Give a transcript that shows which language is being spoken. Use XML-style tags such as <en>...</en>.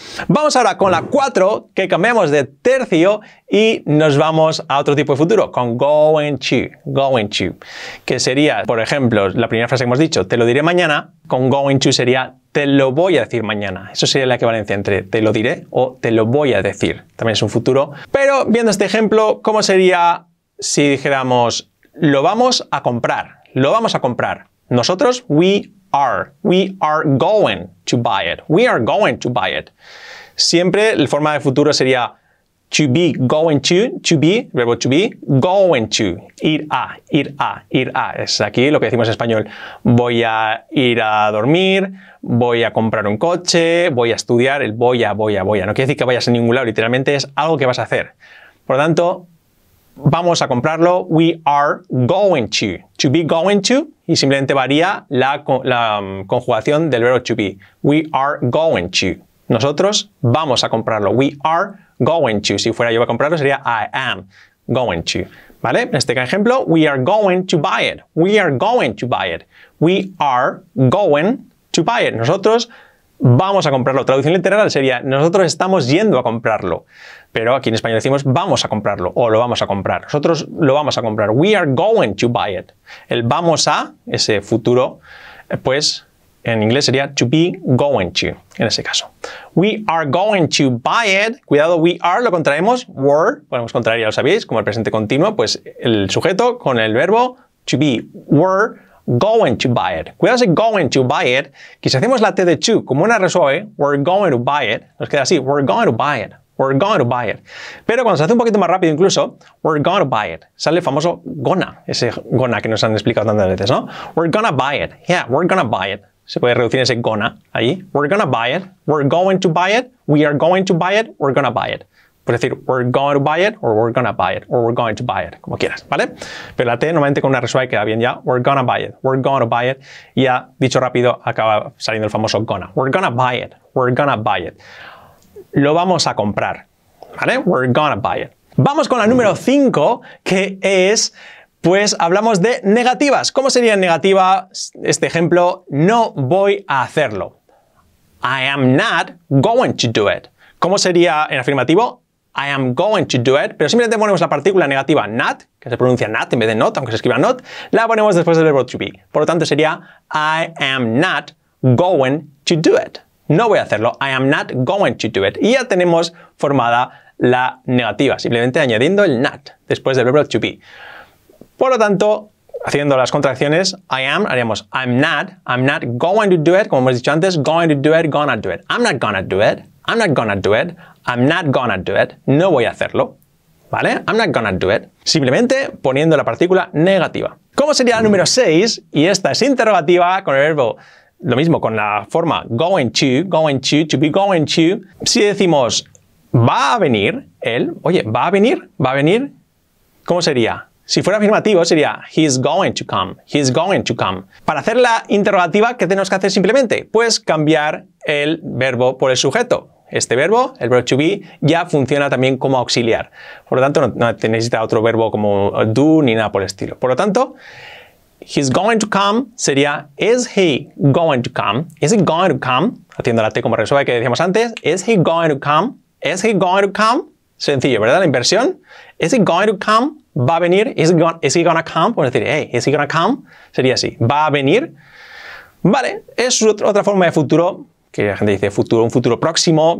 <es>Vamos ahora con la 4, que cambiamos de tercio y nos vamos a otro tipo de futuro, con going to, que sería, por ejemplo, la primera frase que hemos dicho, te lo diré mañana, con going to sería, te lo voy a decir mañana. Eso sería la equivalencia entre te lo diré o te lo voy a decir. También es un futuro. Pero viendo este ejemplo, ¿cómo sería si dijéramos, lo vamos a comprar? Lo vamos a comprar. Nosotros,</es> <en>we are going to buy it. We are going to buy it.</en> <es>Siempre la forma de futuro sería</es> <en>to be going to be,</en> <es>verbo</es> <en>to be, going to,</en> <es>ir a. Es aquí lo que decimos en español. Voy a ir a dormir, voy a comprar un coche, voy a estudiar, el voy a. No quiere decir que vayas a ningún lado, literalmente es algo que vas a hacer. Por lo tanto, vamos a comprarlo,</es> <en>we are going to. To be going to,</en> <es>y simplemente varía la conjugación del verbo to be.</es> <en>We are going to.</en> <es>Nosotros vamos a comprarlo.</es> <en>We are going to.</en> <es>Si fuera yo a comprarlo, sería</es> <en>I am going to.</en> <es>¿Vale? En este ejemplo,</es> <en>we are going to buy it. We are going to buy it. We are going to buy it.</en> <es>Nosotros vamos a comprarlo. Traducción literal sería, nosotros estamos yendo a comprarlo. Pero aquí en español decimos, vamos a comprarlo o lo vamos a comprar. Nosotros lo vamos a comprar.</es> <en>We are going to buy it.</en> <es>El vamos a, ese futuro, pues en inglés sería to be going to, en ese caso.</es> <en>We are going to buy it.</en> <es>Cuidado,</es> <en>we are,</en> <es>lo contraemos. Were, ponemos contraer, ya lo sabéis, como el presente continuo, pues el sujeto con el verbo to be.</es> <en>Were going to buy it.</en> <es>Cuidado si</es> <en>going to buy it,</en> <es>que si hacemos la T de to como una R suave,</es> <en>we're going to buy it,</en> <es>nos queda así,</es> <en>we're going to buy it. We're going to buy it.</en> <es>Pero cuando se hace un poquito más rápido incluso,</es> <en>we're going to buy it,</en> <es>sale el famoso gonna, ese gonna que nos han explicado tantas veces, ¿no?</es> <en>We're gonna buy it.</en> <es>Yeah, we're gonna buy it. Se puede reducir ese gonna ahí.</es> <en>We're gonna buy it. We're going to buy it. We are going to buy it. We're gonna buy it.</en> <es>Puedes decir,</es> <en>we're going to buy it, or we're gonna buy it, or we're going to buy it,</en> <es>como quieras, ¿vale? Pero la T normalmente con una R suave queda bien ya.</es> <en>We're gonna buy it.</en> <es>We're going to buy it. Y ya, dicho rápido, acaba saliendo el famoso gonna.</es> <en>We're gonna buy it. We're gonna buy it.</en> <es>Lo vamos a comprar, ¿vale?</es> <en>We're gonna buy it.</en> <es>Vamos con la número 5, que es, pues hablamos de negativas. ¿Cómo sería en negativa este ejemplo? No voy a hacerlo.</es> <en>I am not going to do it.</en> <es>¿Cómo sería en afirmativo?</es> <en>I am going to do it.</en> <es>Pero simplemente ponemos la partícula negativa not, que se pronuncia not en vez de not, aunque se escriba not, la ponemos después del verbo to be. Por lo tanto, sería</es> <en>I am not going to do it.</en> <es>No voy a hacerlo.</es> <en>I am not going to do it.</en> <es>Y ya tenemos formada la negativa, simplemente añadiendo el not después del verbo to be. Por lo tanto, haciendo las contracciones, I am, haríamos</es> <en>I'm not going to do it,</en> <es>como hemos dicho antes,</es> <en>going to do it, gonna do it. I'm not gonna do it, I'm not gonna do it, I'm not gonna do it.</en> <es>No voy a hacerlo, ¿vale?</es> <en>I'm not gonna do it.</en> <es>Simplemente poniendo la partícula negativa. ¿Cómo sería la número 6? Y esta es interrogativa con el verbo, lo mismo con la forma going to be going to. Si decimos, va a venir, él, oye, va a venir, va a venir, ¿cómo sería? Si fuera afirmativo, sería</es> <en>he's going to come, he's going to come.</en> <es>Para hacer la interrogativa, ¿qué tenemos que hacer simplemente? Pues cambiar el verbo por el sujeto. Este verbo, el verbo to be, ya funciona también como auxiliar. Por lo tanto, no necesita otro verbo como do ni nada por el estilo. Por lo tanto,</es> <en>he's going to come</en> <es>sería</es> <en>is he going to come? Is he going to come?</en> <es>Haciendo la T como resuelve que decíamos antes.</es> <en>Is he going to come? Is he going to come?</en> <es>Sencillo, ¿verdad? La inversión.</es> <en>Is he going to come?</en> <es>Va a venir.</es> <en>Is he gonna come?</en> <es>Puedes decir,</es> <en>hey, is he gonna come?</en> <es>Sería así.</es> <en>Va a venir.</en> <es>Vale, es otra forma de futuro, que la gente dice futuro, un futuro próximo.</es>